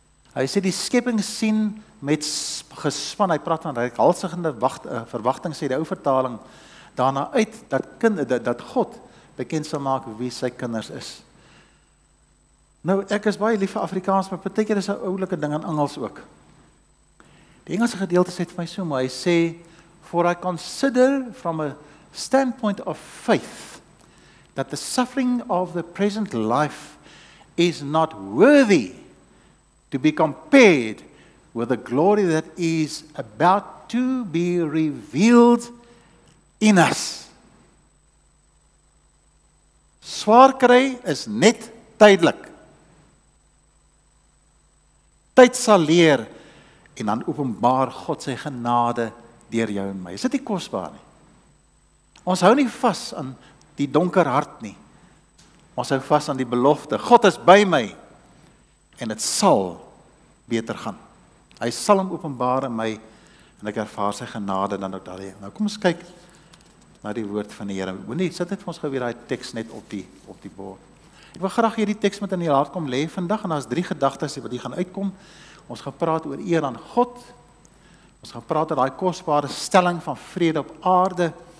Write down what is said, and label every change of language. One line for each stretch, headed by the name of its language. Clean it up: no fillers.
Afrikaans: Hy sê die skepping sien met gespan, hy praat van reikhalsigende verwagting, sê die ou vertaling, daarna uit dat, dat God bekend sal maak wie sy kinders is. Nou, ek is baie lief vir Afrikaans, maar beteken is 'n oulike ding in Engels ook. Die Engelse gedeelte sê vir my so, maar hy sê,
English: for I consider from a standpoint of faith, that the suffering of the present life is not worthy to be compared with the glory that is about to be revealed in us.
Afrikaans: Swaar kry is net tydelik. Tyd sal leer en dan openbaar God sy genade deur jou en my. Is dit nie kosbaar nie? Ons hou nie vas aan die donker hart nie. Ons hou vas aan die belofte. God is by my en het sal beter gaan. Hy sal hom openbaar in my en ek ervaar sy genade dan ook daar. Nou kom ons kyk na die woord van die Here. Moenie, sit dit vir ons gou weer die teks net op die bord. Ek wil graag hierdie teks met in die hart kom lê vandag en daar is drie gedagtes wat hier gaan uitkom. Ons gaan praat oor eer aan God. Ons gaan praat oor daai kosbare stelling van vrede op aarde.